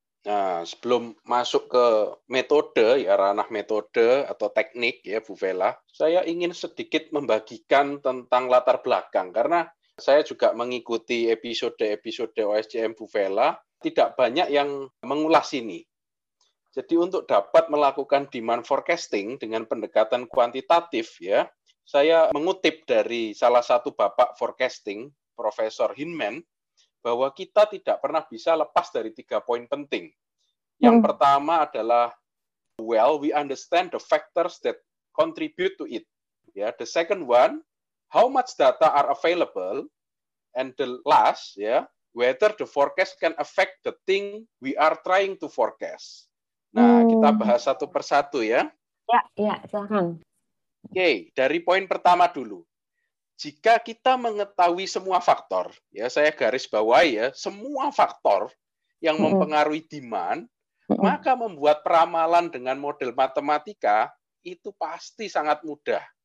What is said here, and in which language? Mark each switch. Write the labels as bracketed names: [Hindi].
[Indonesian] Nah, sebelum masuk ke metode ya, ranah metode atau teknik ya Bu Vela, saya ingin sedikit membagikan tentang latar belakang karena saya juga mengikuti episode-episode OSCM Bu Vela, tidak banyak yang mengulas ini. Jadi untuk dapat melakukan demand forecasting dengan pendekatan kuantitatif, ya, saya mengutip dari salah satu bapak forecasting, Profesor Hinman, bahwa kita tidak pernah bisa lepas dari tiga poin penting. Yang pertama adalah, [English] well, we understand the factors that contribute to it. Ya, the second one, how much data are available, and the last, yeah, whether the forecast can affect the thing we are trying to forecast. [Indonesian] Nah, kita bahas satu persatu ya. Ya, silakan. Oke, dari poin pertama dulu. jika kita mengetahui semua faktor, ya saya garis bawahi ya, semua faktor yang mempengaruhi demand, maka membuat peramalan dengan model matematika itu pasti sangat mudah.